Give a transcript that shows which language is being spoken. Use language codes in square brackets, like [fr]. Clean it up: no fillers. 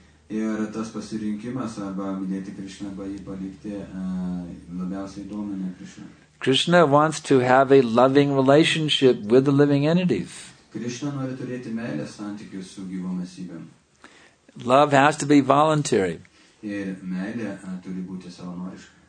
[lt] Ir tas pasirinkimas arba mylėti Krishna arba jį palikti labiausiai domina Krishna. [en] Krishna wants to have a loving relationship with the living entities. [lt] Krishna nori turėti meilės santykius su gyvom esybėm. [en] Love has to be voluntary. [lt] Ir meilė turi būti savanoriška.